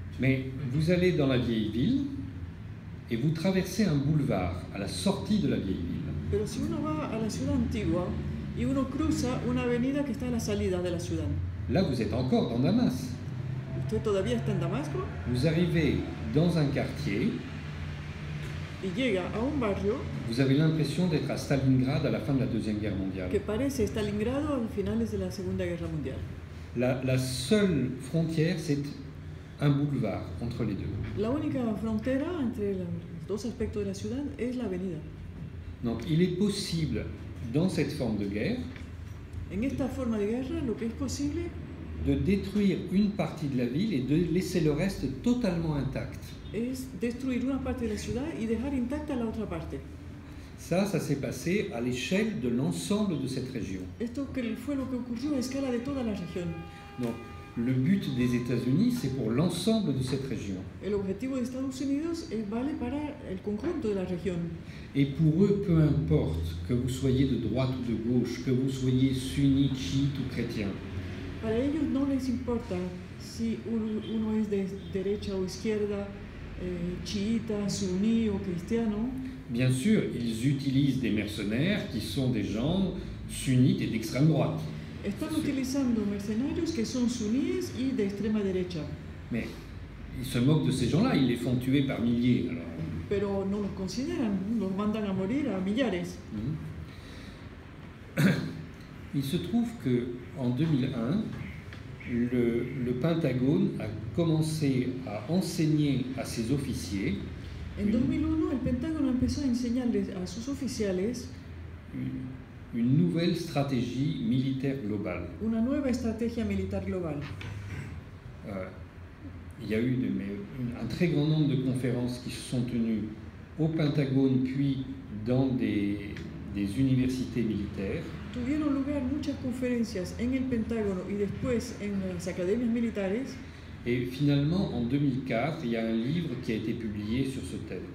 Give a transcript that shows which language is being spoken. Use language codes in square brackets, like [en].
[fr] Mais vous allez dans la vieille ville et vous traversez un boulevard à la sortie de la vieille ville. [es] Pero si uno va a la ciudad antigua y uno cruza una avenida que está a la salida de la ciudad. [fr] Là, vous êtes encore dans Damas. [es] Usted todavía está en Damasco. [fr] Vous arrivez dans un quartier. [es] Y llega a un barrio. [fr] Vous avez l'impression d'être à Stalingrad à la fin de la Deuxième Guerre mondiale. [es] Que parece Stalingrado a finales de la Segunda Guerra Mundial. [fr] La seule frontière, c'est un boulevard entre les deux. [es] La única frontera entre los dos aspectos de la ciudad es la avenida. [fr] Donc, il est possible dans cette forme de guerre. [es] En esta forma de guerra, lo que es posible. [fr] De détruire une partie de la ville et de laisser le reste totalement intact. [es] Es destruir una parte de la ciudad y dejar intacta la otra parte. [fr] Ça s'est passé à l'échelle de l'ensemble de cette région. [es] Esto fue lo que ocurrió a escala de toda la región. [fr] Donc, le but des États-Unis, c'est pour l'ensemble de cette région. [es] El objetivo de Estados Unidos es vale para el conjunto de la región. [fr] Et pour eux, peu importe que vous soyez de droite ou de gauche, que vous soyez sunni, chiite ou chrétien. [es] Para ellos no les importa si uno es de derecha o izquierda, chiita, suní o cristiano. [fr] Bien sûr, ils utilisent des mercenaires qui sont des gens sunnites et d'extrême droite. [es] Están utilizando mercenarios que son suníes y de extrema derecha. [fr] Mais ils se moquent de ces gens-là, ils les font tuer par milliers. Alors. [es] Pero no los consideran, los mandan a morir a millares. [fr] Il se trouve que en 2001, le Pentagone a commencé à enseigner à ses officiers. [es] En 2001, el Pentágono empezó a enseñarles a sus oficiales [fr] une nouvelle stratégie militaire globale. [es] Una nueva estrategia militar global. [fr] Il y a eu un très grand nombre de conférences qui se sont tenues au Pentagone puis dans des universités militaires. [es] Tuvieron lugar muchas conferencias en el Pentágono y después en las academias militares. [fr] Et finalement, en 2004, il y a un livre qui a été publié sur ce thème.